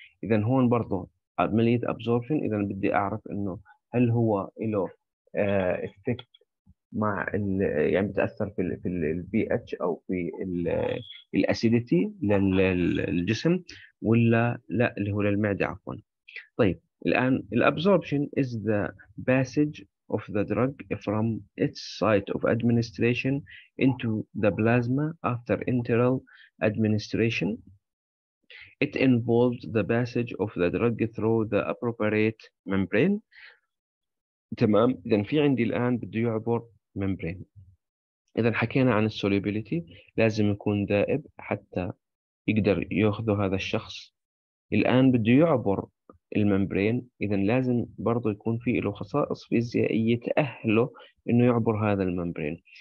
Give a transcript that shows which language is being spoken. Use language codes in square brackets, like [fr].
[ar] اذا هون برضه عمليه ابسوربشن، اذا بدي اعرف انه هل هو له افكت مع الـ، يعني بتاثر في الـ في البي اتش او في الاسيديتي للجسم ولا لا، اللي هو للمعده عفوا. [en] طيب الان الابسوربشن is the passage of the drug from its site of administration into the plasma after enteral administration. It involves the passage of the drug through the appropriate membrane. [ar] تمام، إذا في عندي الآن بده يعبر membrane. إذا حكينا عن solubility، لازم يكون ذائب حتى يقدر يأخذه هذا الشخص. الآن بده يعبر الممبرين، إذا لازم برضه يكون في له خصائص فيزيائية تأهله إنه يعبر هذا الممبرين.